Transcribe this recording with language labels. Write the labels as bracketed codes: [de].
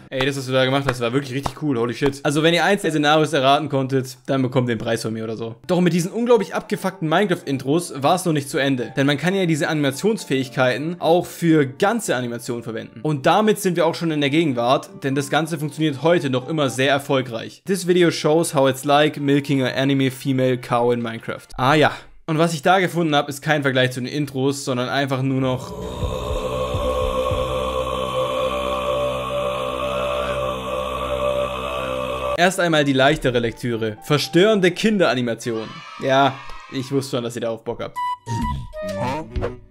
[de] Ey, das, was du da gemacht hast, war wirklich richtig cool, holy shit. Also, wenn ihr eins der Szenarios erraten konntet, dann bekommt ihr den Preis von mir oder so. Doch mit diesen unglaublich abgefuckten Minecraft-Intros war es noch nicht zu Ende. Denn man kann ja diese Animationsfähigkeiten auch für ganze Animationen verwenden. Und damit sind wir auch schon in der Gegenwart, denn das Ganze funktioniert heute noch immer sehr erfolgreich. [en] This video shows how it's like milking an anime female cow in Minecraft. [de] Ah ja. Und was ich da gefunden habe, ist kein Vergleich zu den Intros, sondern einfach nur noch... Erst einmal die leichtere Lektüre. Verstörende Kinderanimation. Ja, ich wusste schon, dass ihr darauf Bock habt. Huh?